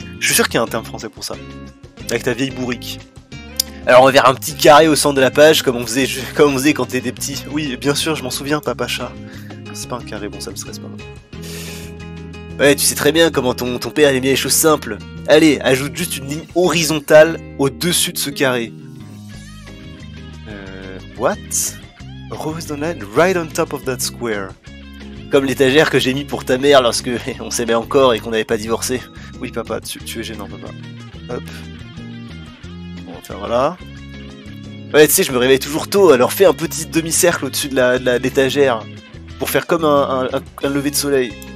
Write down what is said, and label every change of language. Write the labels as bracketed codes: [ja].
[fr] Je suis sûr qu'il y a un terme français pour ça. Avec ta vieille bourrique. Alors on va faire un petit carré au centre de la page, comme on faisait quand t'étais petit. Oui, bien sûr, je m'en souviens, papa chat. C'est pas un carré, bon, ça me stresse pas. Ouais, tu sais très bien comment ton père aimait les choses simples. Allez, ajoute juste une ligne horizontale au-dessus de ce carré. [en] What? Rose the line right on top of that square. [fr] Comme l'étagère que j'ai mis pour ta mère lorsque on s'aimait encore et qu'on n'avait pas divorcé. Oui papa, tu es gênant papa. Hop. On va faire voilà. Ouais, tu sais, je me réveille toujours tôt, alors fais un petit demi-cercle au-dessus de l'étagère. Pour faire comme un lever de soleil.